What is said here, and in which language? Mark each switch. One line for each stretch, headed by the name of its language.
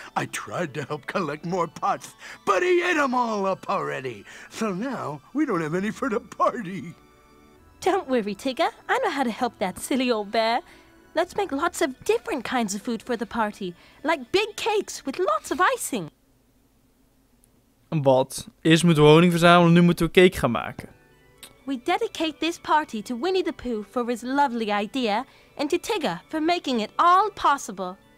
English: I tried to help collect more pots, but he ate them all up already. So now we don't have any for the party. Don't worry, Tigger. I know how to help that silly old bear. Let's make lots of different kinds of food for the party, like big cakes with lots of icing.
Dutch: Wat? Eerst moeten we honing verzamelen, nu moeten we cake gaan maken.
English: We dedicate this party to Winnie the Pooh for his lovely idea and to Tigger for making it all possible.